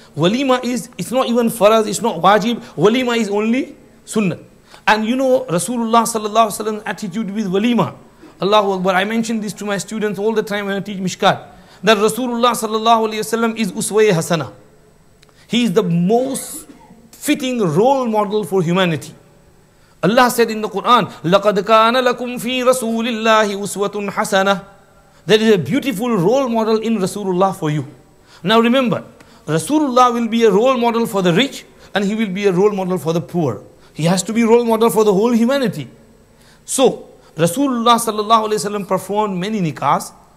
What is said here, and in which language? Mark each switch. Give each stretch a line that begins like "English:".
English: Walima is, it's not even faraz, it's not wajib. Walima is only sunnat. And you know Rasulullah sallallahu alaihi wasallam's attitude with walima. Allahu Akbar, I mention this to my students all the time when I teach Mishkat. That Rasulullah sallallahu alaihi wasallam is uswaye hasana. He is the most fitting role model for humanity. Allah said in the Quran,
Arabic: لَقَدْ كَانَ لَكُمْ فِي رَسُولِ اللَّهِ أُسْوَةٌ حَسَنَةٌ.
English: There is a beautiful role model in Rasulullah for you. Now remember, Rasulullah will be a role model for the rich and he will be a role model for the poor. He has to be role model for the whole humanity. So, Rasulullah sallallahu alayhi wa sallam performed many nikahs.